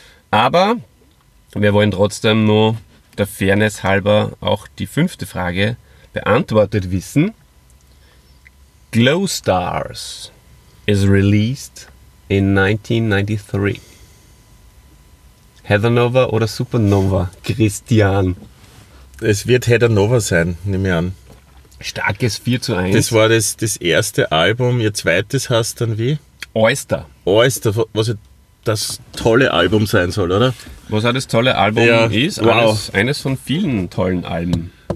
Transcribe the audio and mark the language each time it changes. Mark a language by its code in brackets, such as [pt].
[de] Aber wir wollen trotzdem nur der Fairness halber auch die fünfte Frage beantwortet wissen. [en] Glow Stars is released in 1993. [de] Heathernova oder Supernova, Christian? Es wird Heathernova sein, nehme ich an. Starkes 4-1. Das war das erste Album. Ihr zweites heißt dann wie? Oyster. Oyster, was das tolle Album sein soll, oder? Was auch das tolle Album ja, ist. Wow. Eines von vielen tollen Alben.